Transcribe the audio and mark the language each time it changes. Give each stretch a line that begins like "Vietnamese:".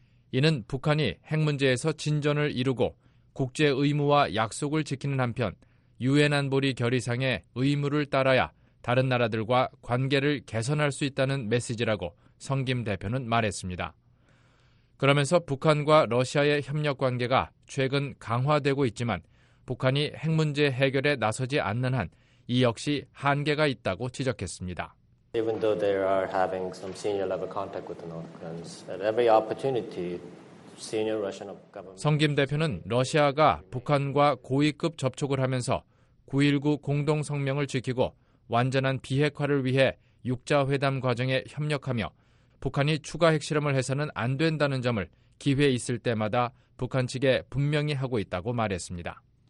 Korean: 이는 북한이 핵 문제에서 진전을 이루고 국제 의무와 약속을 지키는 한편 유엔 안보리 결의상의 의무를 따라야 다른 나라들과 관계를 개선할 수 있다는 메시지라고 성김 대표는 말했습니다. 그러면서 북한과 러시아의 협력 관계가 최근 강화되고 있지만 북한이 핵 문제 해결에 나서지 않는 한 이 역시 한계가 있다고 지적했습니다.
English: Even though they are having some senior level contact with the North Koreans, at every opportunity, senior Russian government.
Korean: 성김 대표는 러시아가 북한과 고위급 접촉을 하면서 9.19 공동 성명을 지키고 완전한 비핵화를 위해 6자회담 과정에 협력하며 북한이 추가 핵실험을 해서는 안 된다는 점을 기회 있을 때마다 북한 측에 분명히 하고 있다고 말했습니다.